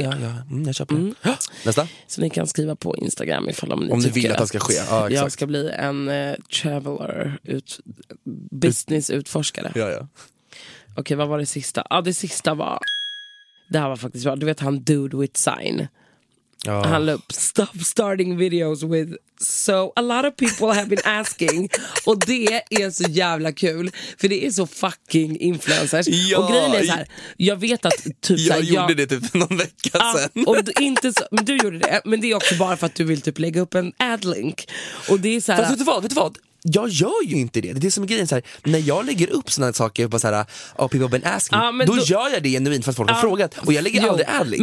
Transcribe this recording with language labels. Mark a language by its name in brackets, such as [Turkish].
[Swedish] Ja. Mm, jag köper det. Nästa. Så ni kan skriva på Instagram ifall om ni vill att det ska ske. Ja, exakt. Jag ska bli en traveler. Business-utforskare. Ja. Okej, vad var det sista? Ja, det sista var... Det här var faktiskt bra. Du vet han Dude with Sign. Oh. Han lade upp [English] stop starting videos with so a lot of people have been asking. [Swedish] Och det är så jävla kul, för det är så fucking influencers. Ja, och grejen är så här, jag vet att typ jag så här, gjorde jag, det typ någon vecka sen. Och inte så, men du gjorde det, men det är också bara för att du vill typ lägga upp en ad link. Och det är så här, fast, vet du vad? Jag gör ju inte det. Det är som grejen så här, när jag lägger upp såna här saker på så här, [English] oh, people have been asking, [Swedish] då gör jag det genuint fast folk har frågat, och jag lägger aldrig ad links.